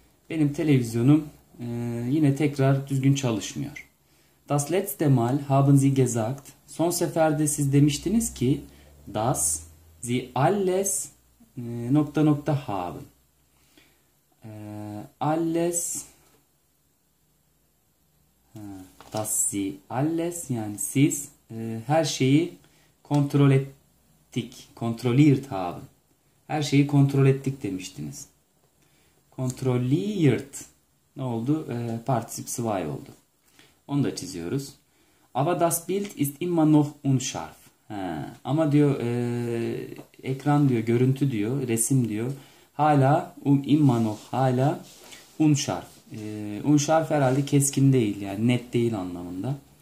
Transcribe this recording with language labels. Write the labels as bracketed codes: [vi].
[tr] Benim televizyonum yine tekrar düzgün çalışmıyor. [de] Das letzte Mal haben Sie gesagt. [tr] Son seferde siz demiştiniz ki [de] dass Sie alles [tr] nokta nokta [de] haben. Alles, das sie alles, [tr] yani siz her şeyi kontrol ettik, [de] kontrolliert haben. [tr] Her şeyi kontrol ettik demiştiniz. Kontrolliert ne oldu? Participle zwei oldu. Onu da çiziyoruz. [de] Aber das Bild ist immer noch unscharf. [tr] Ama diyor ekran diyor, görüntü diyor, resim diyor. Hala [de] immer noch [tr] hala [de] unscharf. [tr] Unscharf herhalde keskin değil, yani net değil anlamında.